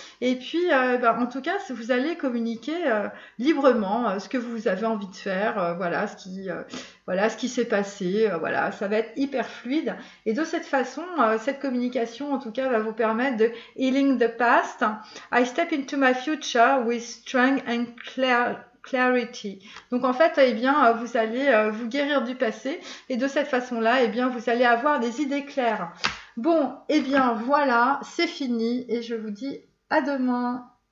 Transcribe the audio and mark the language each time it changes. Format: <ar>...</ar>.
<fr>Et puis, ben, en tout cas, vous allez communiquer librement ce que vous avez envie de faire, voilà ce qui s'est passé, voilà, ça va être hyper fluide. Et de cette façon, cette communication, en tout cas, va vous permettre de</fr> <en>healing the past. I step into my future with strength and clarity.</en> <fr>Donc en fait, eh bien, vous allez vous guérir du passé et de cette façon-là, eh bien, vous allez avoir des idées claires. Bon, eh bien, voilà, c'est fini et je vous dis à demain.</fr>